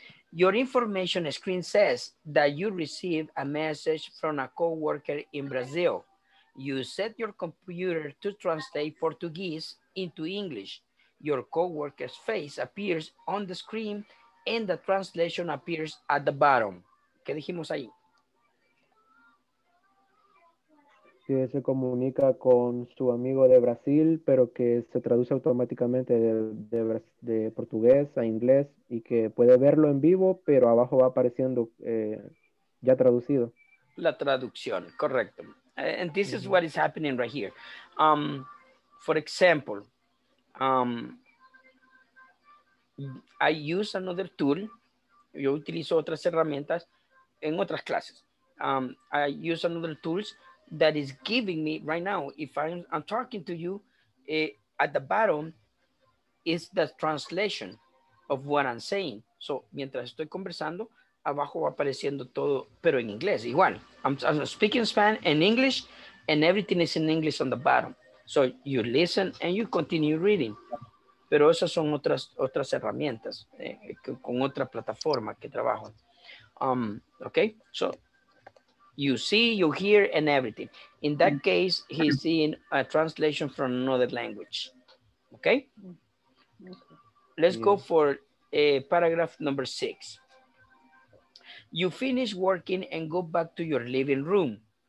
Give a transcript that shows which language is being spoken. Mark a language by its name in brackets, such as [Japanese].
[English] Your information screen says that you received a message from a coworker in Brazil. You set your computer to translate Portuguese into English. Your coworker's face appears on the screen and the translation appears at the bottom. [Spanish] ¿Qué dijimos ahí? Que se comunica con su amigo de Brasil, pero que se traduce automáticamente de portugués a inglés y que puede verlo en vivo, pero abajo va apareciendo ya traducido. La traducción, correcto. [English] And this is what is happening right here. For example, I use another tool. [Spanish] Yo utilizo otras herramientas en otras clases. [English] I use another tools that is giving me right now, if I'm talking to you, at the bottom is the translation of what I'm saying. [Spanish] So, mientras estoy conversando, abajo va apareciendo todo, pero en inglés, igual. [English] I'm speaking Spanish and English, and everything is in English on the bottom. So, you listen and you continue reading. [Spanish] Pero esas son otras herramientas, con otra plataforma que trabajo. [English] Okay, so... You see, you hear, and everything. In that case, he's seeing a translation from another language. Okay? Let's go for paragraph number six. You finish working and go back to your living room.